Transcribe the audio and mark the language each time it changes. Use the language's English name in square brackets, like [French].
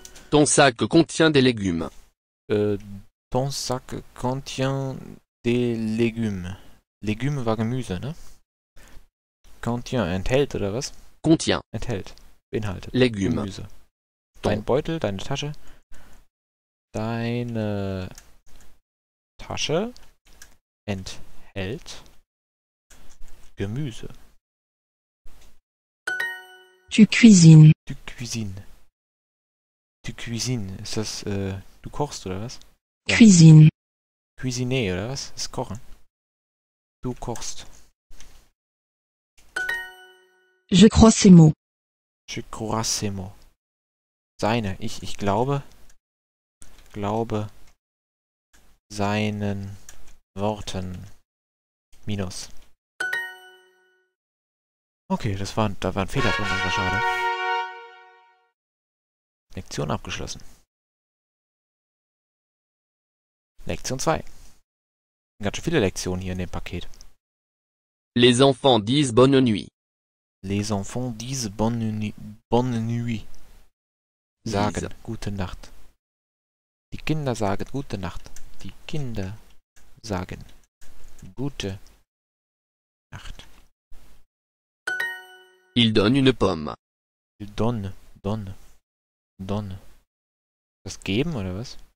[French] Ton sac contient des légumes. Ton sac contient des légumes. [German] Légumes war Gemüse, ne? Contient, enthält oder was? [French] Contient. [German] Enthält, beinhaltet. [French] Légumes. [German] Gemüse. Dein Beutel, deine Tasche. Deine Tasche enthält Gemüse. [French] Tu cuisines. Tu cuisines. Tu cuisines. [German] Ist das, du kochst oder was? [French] Cuisine. [German] Ja. Cuisiner oder was? Ist kochen. Du kochst. [French] Je crois ces mots. Je crois ces mots. [German] Seine. Ich glaube. Glaube seinen Worten. Minus. Okay, da war ein Fehler drin, das war schade. Lektion abgeschlossen. Lektion 2. Ganz schön viele Lektionen hier in dem Paket. [French] Les enfants disent bonne nuit. Les enfants disent bonne nuit. [German] Sagen gute Nacht. Die Kinder sagen gute Nacht. Die Kinder sagen gute Nacht. [French] Il donne une pomme. Il donne. [German] Das geben oder was?